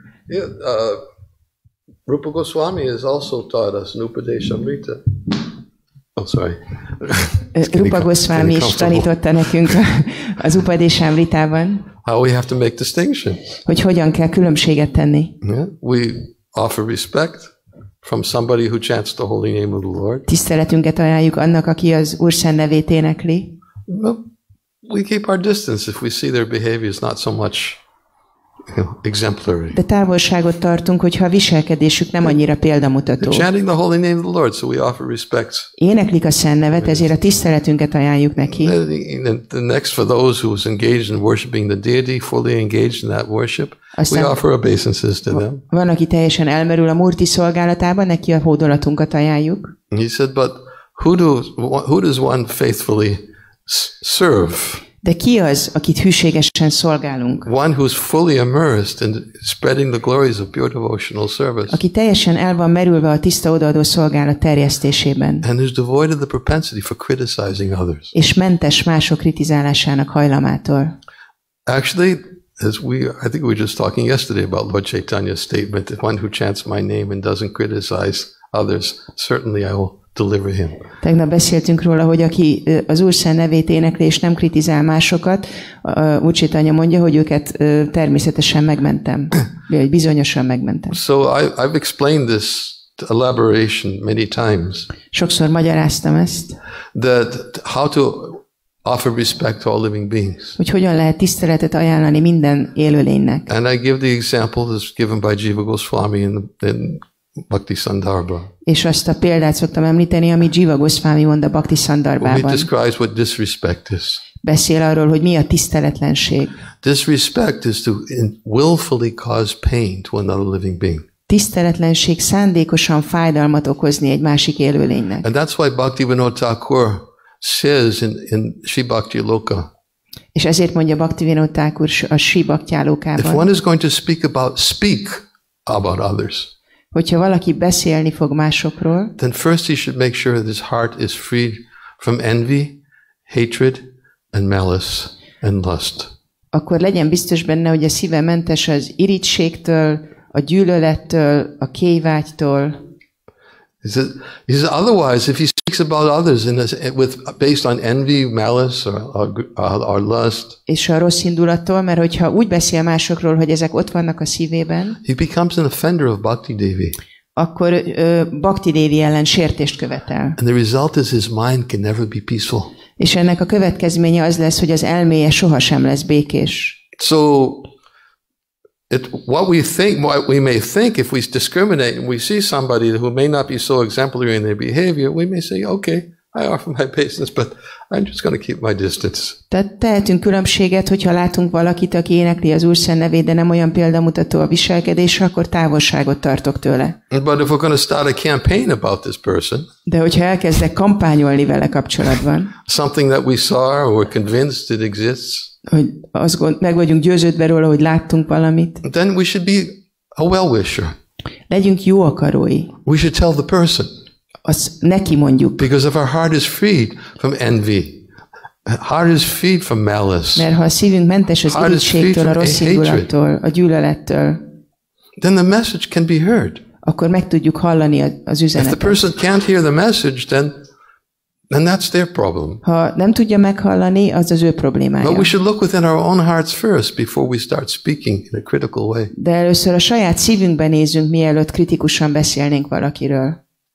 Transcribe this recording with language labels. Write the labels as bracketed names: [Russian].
[English] Yeah, Rupa Goswami has also taught us Caritamrita. Oh, sorry. [Hungarian] Rupa Goswami is tanította nekünk az Caritamritában. [English] How we have to make distinctions. [Hungarian] Hogy hogyan kell különbséget tenni. [English] Yeah, we offer respect from somebody who chants the holy name of the Lord. [Hungarian] Tiszteletünket ajánljuk annak, aki az Úr Szent nevét énekli. [English] We keep our distance if we see their behavior is not so much exemplary. [Hungarian] De távolságot tartunk, hogyha a viselkedésük nem annyira példamutató. [English] Chanting the holy name of the Lord, so we offer respect. [Hungarian] Éneklik a Szent nevet, ezért a tiszteletünket ajánljuk neki. [English] The next for those who is engaged in worshiping the deity, fully engaged in that worship, we offer obeisances to them. [Hungarian] Van, aki teljesen elmerül a Murti szolgálatában, neki a hódolatunkat ajánljuk. [English] He said, but Who does one faithfully serve? [Hungarian] De ki az, akit hűségesen szolgálunk? [English] One who's fully immersed in spreading the glories of pure devotional service. [Hungarian] Aki teljesen el van merülve a tiszta odaadó szolgálat terjesztésében. [English] And who's devoid of the propensity for criticizing others. [Hungarian] És mentes mások kritizálásának hajlamától. [English] Actually, I think we were just talking yesterday about Lord Caitanya's statement that one who chants my name and doesn't criticize others, certainly I will deliver him. [Hungarian] Tegnap beszéltünk róla, hogy aki az Úr Szent nevét énekli és nem kritizál másokat, Úr Caitanya mondja, hogy őket természetesen megmentem, vagy bizonyosan megmentem. [English] So I've explained this elaboration many times. [Hungarian] Sokszor magyaráztam ezt. [English] That how to offer respect to all living beings. [Hungarian] Hogy hogyan lehet tiszteletet ajánlani minden élőlénynek? [English] And I give the example that's given by Jiva Goswami in Bhakti Sandarbha. [Hungarian] És azt a példát szoktam említeni, amit Jiva Goswami mond a Bhakti Sandarbhában. [English] He describes what disrespect is. [Hungarian] Beszél arról, hogy mi a tiszteletlenség. [English] Disrespect is to willfully cause pain to another living being. [Hungarian] Tiszteletlenség szándékosan fájdalmat okozni egy másik élőlénynek. [English] And that's why Bhaktivinoda Thakur says in Sri Bhakti Loka. [Hungarian] És ezért mondja Bhaktivinoda Thakur a Sri Bhakti Lokában. [English] If one is going to speak about others. [Hungarian] Hogyha valaki beszélni fog másokról, [English] then first he should make sure that his heart is free from envy, hatred, and malice and lust. [Hungarian] Akkor legyen biztos benne, hogy a szíve mentes az irigységtől, a gyűlölettől, a kévágytól. [English] He says otherwise, if he speaks about others based on envy, malice, or lust, [Hungarian] és a rossz indulattól, mert hogyha úgy beszél másokról, hogy ezek ott vannak a szívében, [English] he becomes an offender of Bhakti Devi. [Hungarian] Akkor Bhakti Devi ellen sértést követel. [English] And the result is his mind can never be peaceful. [Hungarian] És ennek a következménye az lesz, hogy az elméje soha sem lesz békés. [English] So what we may think if we discriminate and we see somebody who may not be so exemplary in their behavior, we may say, okay, I offer my patience, but I'm just going to keep my distance. [Hungarian] Tehát tehetünk különbséget, hogyha látunk valakit, aki énekli az Úr Szent nevét, de nem olyan példamutató a viselkedésre, akkor távolságot tartok tőle. [English] But if we're going to start a campaign about this person, [Hungarian] de hogyha elkezdek kampányolni vele kapcsolatban, [English] something that we saw or were convinced it exists, [Hungarian] hogy meg vagyunk győződve róla, hogy láttunk valamit. [English] Then we should be a well-wisher. [Hungarian] Legyünk jó akarói. [English] We should tell the person. [Hungarian] Azt neki mondjuk. [English] Because if our heart is freed from envy, heart is freed from malice. [Hungarian] Mert ha a szívünk mentes az irigységtől, a rossz indulattól, a gyűlölettől. [English] Then the message can be heard. [Hungarian] Akkor meg tudjuk hallani az üzenetet. [English] If the person can't hear the message, then that's their problem. [Hungarian] Ha nem tudja meghallani, az ő problémája. [English] But we should look within our own hearts first before we start speaking in a critical way. [Hungarian] De először a saját szívünkbe nézünk, mielőtt kritikusan beszélnénk valakiről.